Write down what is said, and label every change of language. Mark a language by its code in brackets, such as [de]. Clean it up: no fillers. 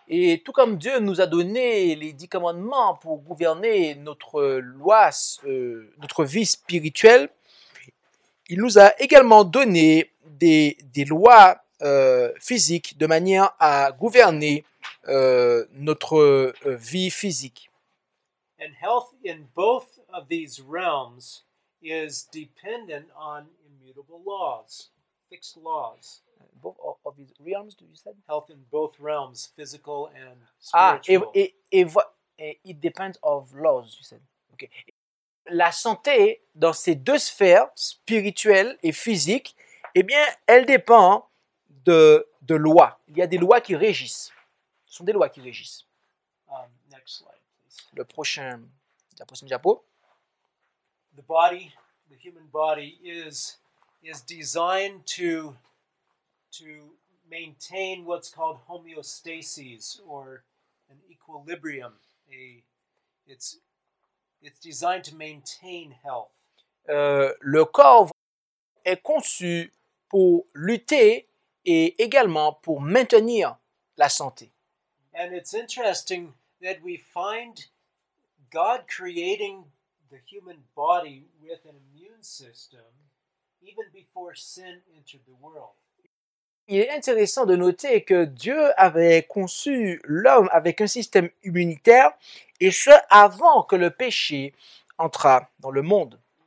[fr] Et tout comme Dieu nous a donné les 10 commandements pour gouverner notre vie spirituelle, il nous a également donné des lois physiques de manière à gouverner notre vie physique. [en] And health in both of these realms is dependent on immutable laws, fixed laws. Both of these realms, do you say? Health in both realms, physical and spiritual. It depends of laws, you said. Okay. [fr] La santé dans ces deux sphères, spirituelle et physique, eh bien, elle dépend de lois. Il y a des lois qui régissent. Ce sont des lois qui régissent. [en] Next slide, please. [fr] La prochaine diapo. [en] The body, the human body, is designed to maintain what's called homeostasis or an equilibrium. It's designed to maintain health. [fr] Le corps est conçu pour lutter et également pour maintenir la santé. [en] And it's interesting that we find God creating the human body with an immune system even before sin entered the world. [fr] Il est intéressant de noter que Dieu avait conçu l'homme avec un système immunitaire et ce avant que le péché entrât dans le monde.